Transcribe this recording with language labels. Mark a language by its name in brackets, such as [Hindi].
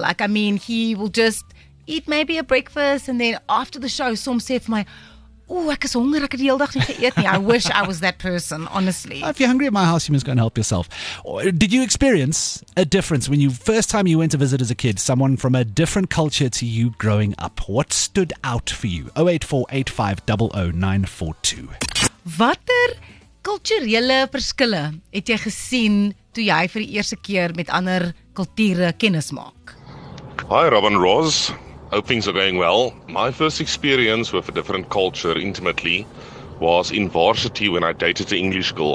[English] Like, I mean, he will just eat maybe a breakfast and then after the show some say for my oh [Afrikaans] ek is honger ek het die hele dag nie geëet nie. [English] I wish I was that person, honestly. If you're hungry at my house, you must go and help yourself. Did you experience a difference when you first time you went to visit as a kid, someone from a different culture to you growing up? What stood out for you? 0848500942. [Afrikaans] Watter kulturele verskille het jy gesien toe jy vir die eerste keer met ander kulture kennis maak? [English] Hi Robin Ross. Hope things are going well. My first experience with a different culture intimately was in varsity when I dated an English girl.